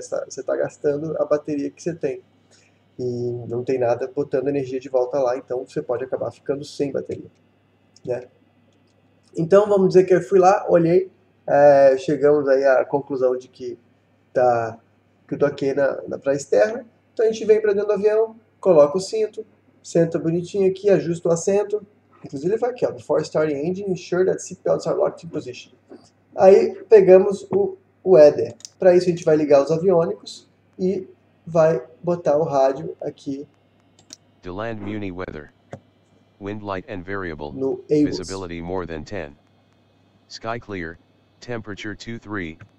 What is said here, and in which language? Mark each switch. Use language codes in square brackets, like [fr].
[pt] Você está gastando a bateria que você tem. E não tem nada botando energia de volta lá, então você pode acabar ficando sem bateria, né? Então vamos dizer que eu fui lá, olhei, chegamos aí à conclusão de que eu tô aqui na praia externa. Então a gente vem para dentro do avião, coloca o cinto, senta bonitinho aqui, ajusta o assento. Inclusive ele vai aqui, ó, [en] before starting engine, ensure that seatbelts are locked in position. [pt] Aí pegamos o EDER. Para isso a gente vai ligar os aviônicos e vai botar o rádio aqui [en] Deland Muni weather. Wind light and variable. no AWOS. Visibility more than 10. Sky clear. Temperature 23.